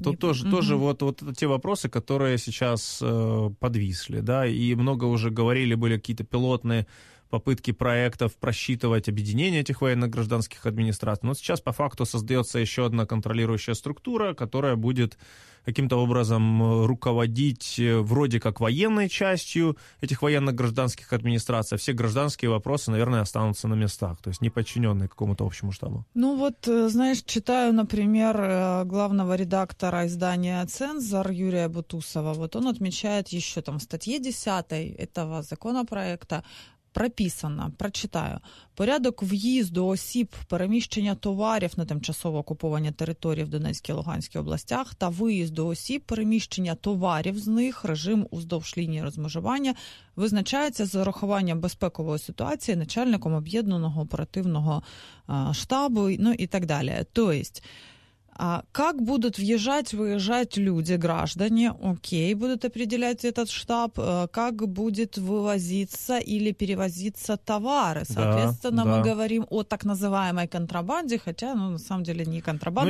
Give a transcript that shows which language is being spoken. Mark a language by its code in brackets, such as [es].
[ru] Тут тоже вот те вопросы, которые сейчас подвисли, да, и много уже говорили, были какие-то пилотные попытки проектов просчитывать объединение этих военно-гражданских администраций, но сейчас по факту создается еще одна контролирующая структура, которая будет каким-то образом руководить вроде как военной частью этих военно-гражданских администраций, а все гражданские вопросы, наверное, останутся на местах, то есть не подчиненные какому-то общему штабу. Ну вот, знаешь, читаю, например, главного редактора издания «Цензор» Юрия Бутусова, вот он отмечает еще там в статье 10 этого законопроекта, прописано, прочитаю. [uk] Порядок в'їзду осіб, переміщення товарів на тимчасово окуповані території в Донецькій та Луганській областях та виїзду осіб, переміщення товарів з них, режим уздовж лінії розмежування визначається з урахуванням безпекової ситуації начальником об'єднаного оперативного штабу, ну і так далі. [ru] Тобто, а как будут въезжать, выезжать люди, граждане, окей, будут определять этот штаб, как будет вывозиться или перевозиться товары. Соответственно, да, мы да. говорим о так называемой контрабанде, хотя, ну, на самом деле, не контрабанда,